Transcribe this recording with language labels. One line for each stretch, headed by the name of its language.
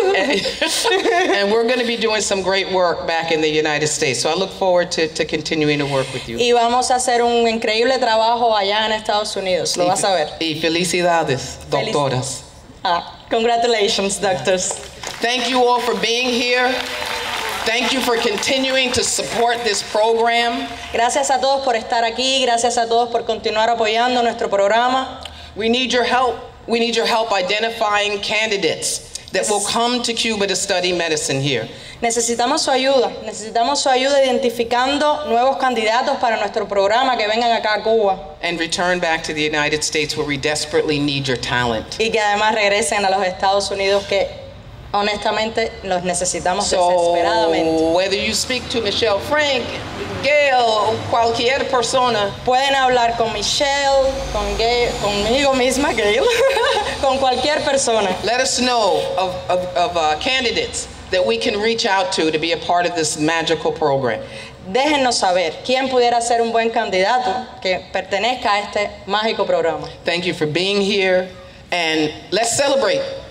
English: And we're going to be doing some great work back in the United States. So I look forward to continuing to work with you.
Spanish: Y vamos a hacer un increíble trabajo allá en Estados Unidos. Lo vas a ver. Y felicidades, doctoras.
English: Congratulations, doctors. Thank you all for being here. Thank you for continuing to support this program.
Spanish: Gracias a todos por estar aquí. Gracias a todos por continuar apoyando nuestro programa.
English: We need your help. We need your help identifying candidates that will come to Cuba to study medicine here.
Spanish: Necesitamos su ayuda. Necesitamos su ayuda identificando nuevos candidatos para nuestro programa que vengan acá a Cuba.
English: And return back to the United States where we desperately need your talent.
Spanish: Y que además regresen a los Estados Unidos que honestamente los necesitamos desesperadamente.
English: So whether you speak to Michelle Frank, Gail,
Spanish: o cualquier persona, pueden hablar con Michelle, con Gail, conmigo misma Gail, con cualquier persona.
English: Let us know of candidates that we can reach out to be a part of this magical program.
Spanish: Déjenos saber quién pudiera ser un buen candidato que pertenezca a este mágico programa.
English: Thank you for being here and let's celebrate.